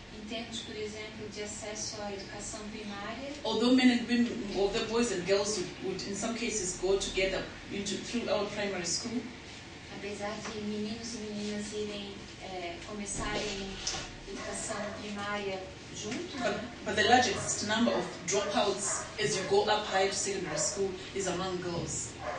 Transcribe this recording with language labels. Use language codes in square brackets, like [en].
[pt] Em termos, por exemplo, de acesso à educação primária. [en] Although men and women, although boys and girls would in some cases go together through our primary school. [pt] Apesar de meninos e meninas irem começarem educação primária. [en] But the largest number of dropouts as you go up high to secondary school is among girls.